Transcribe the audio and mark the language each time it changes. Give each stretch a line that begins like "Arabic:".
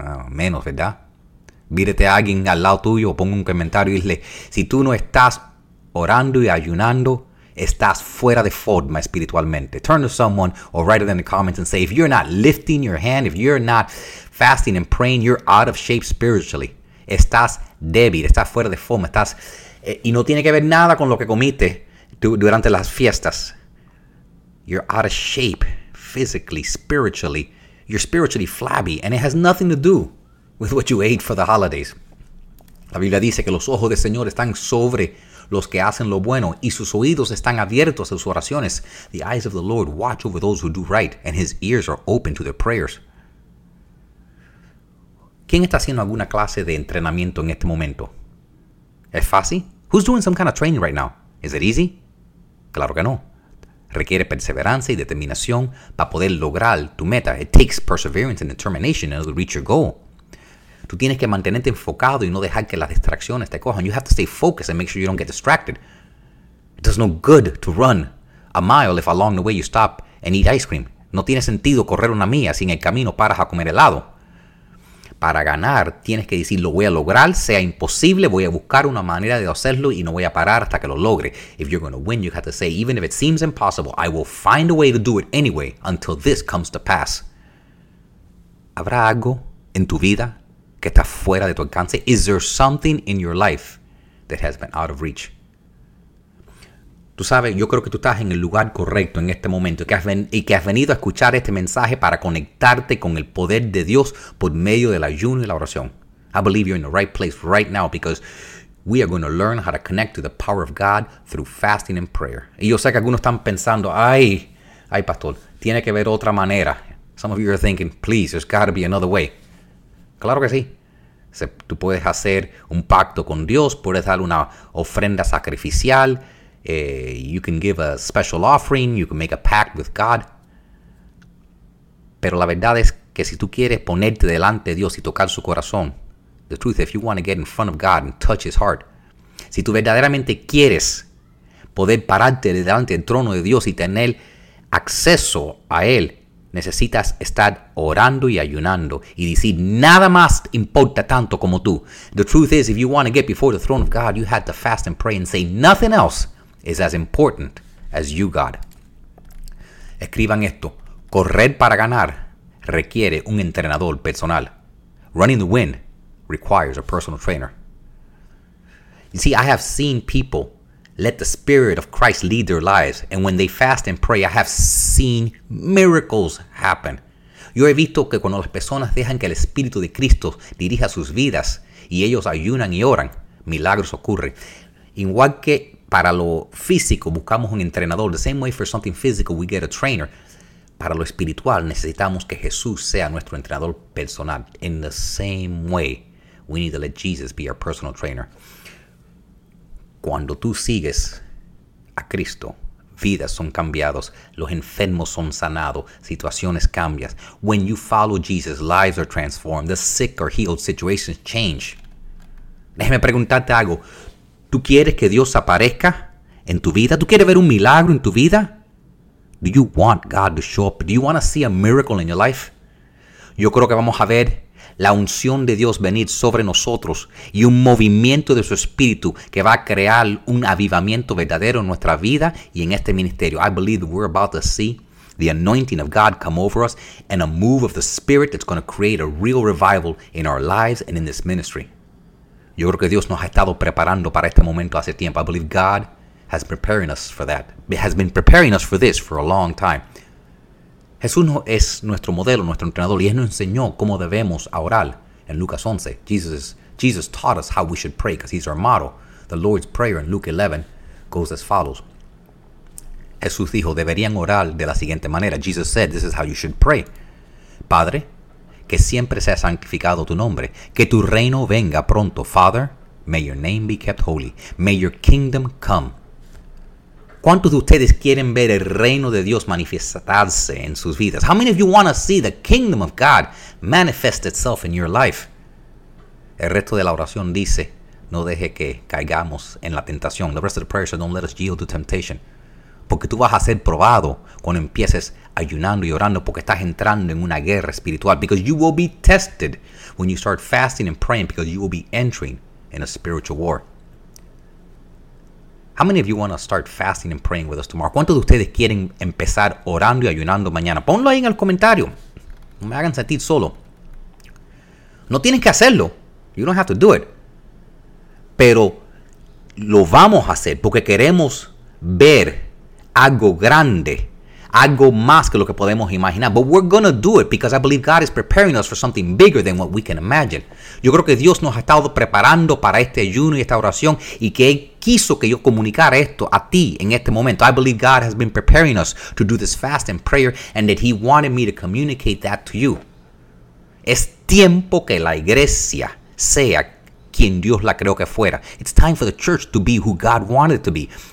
Spanish: Menos, ¿verdad? Vírete a alguien al lado tuyo o ponga un comentario y dile, si tú no estás orando y ayunando, estás fuera de forma espiritualmente.
English: Turn to someone or write it in the comments and say, if you're not lifting your hand, if you're not fasting and praying, you're out of shape spiritually.
Spanish: Estás débil, estás fuera de forma, y no tiene que ver nada con lo que comiste durante las fiestas.
English: You're out of shape physically, spiritually. You're spiritually flabby, and it has nothing to do with what you ate for the holidays.
Spanish: La Biblia dice que los ojos del Señor están sobre los que hacen lo bueno, y sus oídos están abiertos a sus oraciones.
English: The eyes of the Lord watch over those who do right, and His ears are open to their prayers.
Spanish: ¿Quién está haciendo alguna clase de entrenamiento en este momento? ¿Es fácil?
English: Who's doing some kind of training right now? Is it easy?
Spanish: Claro que no. Requiere perseverancia y determinación para poder lograr tu meta.
English: It takes perseverance and determination in order to reach your goal.
Spanish: Tú tienes que mantenerte enfocado y no dejar que las distracciones te cojan.
English: You have to stay focused and make sure you don't get distracted. It does no good to run a mile if along the way you stop and eat ice cream.
Spanish: No tiene sentido correr una milla si en el camino paras a comer helado. Para ganar, tienes que decir, lo voy a lograr, sea imposible, voy a buscar una manera de hacerlo y no voy a parar hasta que lo logre.
English: If you're going to win, you have to say, even if it seems impossible, I will find a way to do it anyway until this comes to pass.
Spanish: ¿Habrá algo en tu vida que está fuera de tu alcance?
English: Is there something in your life that has been out of reach?
Spanish: Tú sabes, yo creo que tú estás en el lugar correcto en este momento y que has venido a escuchar este mensaje para conectarte con el poder de Dios por medio del ayuno y la oración.
English: I believe you're in the right place right now because we are going to learn how to connect to the power of God through fasting and prayer.
Spanish: Y yo sé que algunos están pensando, ay, pastor, tiene que haber otra manera.
English: Some of you are thinking, please, there's got to be another way.
Spanish: Claro que sí. Tú puedes hacer un pacto con Dios, puedes dar una ofrenda sacrificial.
English: You can give a special offering, you can make a pact with God.
Spanish: Pero la verdad es que si tú quieres ponerte delante de Dios y tocar su corazón,
English: the truth, if you want to get in front of God and touch His heart,
Spanish: si tú verdaderamente quieres poder pararte delante del trono de Dios y tener acceso a Él, necesitas estar orando y ayunando y decir, nada más importa tanto como tú.
English: The truth is, if you want to get before the throne of God, you have to fast and pray and say nothing else is as important as you, God.
Spanish: Escriban esto. Correr para ganar requiere un entrenador personal.
English: Running to win requires a personal trainer. You see, I have seen people let the Spirit of Christ lead their lives, and when they fast and pray, I have seen miracles happen.
Spanish: Yo he visto que cuando las personas dejan que el Espíritu de Cristo dirija sus vidas y ellos ayunan y oran, milagros ocurren. Igual que para lo físico buscamos un entrenador,
English: the same way for something physical we get a trainer.
Spanish: Para lo espiritual necesitamos que Jesús sea nuestro entrenador personal.
English: In the same way, we need to let Jesus be our personal trainer.
Spanish: Cuando tú sigues a Cristo, vidas son cambiadas, los enfermos son sanados, situaciones cambian.
English: When you follow Jesus, lives are transformed, the sick are healed, situations change.
Spanish: Déjeme preguntarte algo. ¿Tú quieres que Dios aparezca en tu vida? ¿Tú quieres ver un milagro en tu vida?
English: Do you want God to show up? Do you want to see a miracle in your life?
Spanish: Yo creo que vamos a ver la unción de Dios venir sobre nosotros y un movimiento de su espíritu que va a crear un avivamiento verdadero en nuestra vida y en este ministerio.
English: I believe we're about to see the anointing of God come over us and a move of the Spirit that's going to create a real revival in our lives and in this ministry.
Spanish: Yo creo que Dios nos ha estado preparando para este momento hace tiempo.
English: I believe God has preparing us for that. It has been preparing us for this for a long time.
Spanish: Jesús es nuestro modelo, nuestro entrenador, y Él nos enseñó cómo debemos orar en Lucas 11.
English: Jesus taught us how we should pray because He's our model. The Lord's Prayer in Luke 11 goes as follows.
Spanish: Jesús dijo, deberían orar de la siguiente manera.
English: Jesus said, this is how you should pray.
Spanish: Padre, que siempre sea santificado tu nombre. Que tu reino venga pronto.
English: Father, may your name be kept holy. May your kingdom come.
Spanish: ¿Cuántos de ustedes quieren ver el reino de Dios manifestarse en sus vidas?
English: How many of you want to see the kingdom of God manifest itself in your life?
Spanish: El resto de la oración dice, no deje que caigamos en la tentación.
English: The rest of the prayer says, don't let us yield to temptation.
Spanish: Porque tú vas a ser probado cuando empieces ayunando y orando porque estás entrando en una guerra espiritual.
English: Because you will be tested when you start fasting and praying because you will be entering in a spiritual war. How many of you want to start fasting and praying with us tomorrow?
Spanish: ¿Cuántos de ustedes quieren empezar orando y ayunando mañana? Ponlo ahí en el comentario. No me hagan sentir solo. No tienes que hacerlo.
English: You don't have to do it.
Spanish: Pero lo vamos a hacer porque queremos ver algo grande, algo más que lo que podemos imaginar.
English: But we're going to do it because I believe God is preparing us for something bigger than what we can imagine.
Spanish: Yo creo que Dios nos ha estado preparando para este ayuno y esta oración y que Él quiso que yo comunicara esto a ti en este momento.
English: I believe God has been preparing us to do this fast and prayer and that He wanted me to communicate that to you.
Spanish: Es tiempo que la iglesia sea quien Dios la creó que fuera.
English: It's time for the church to be who God wanted it to be.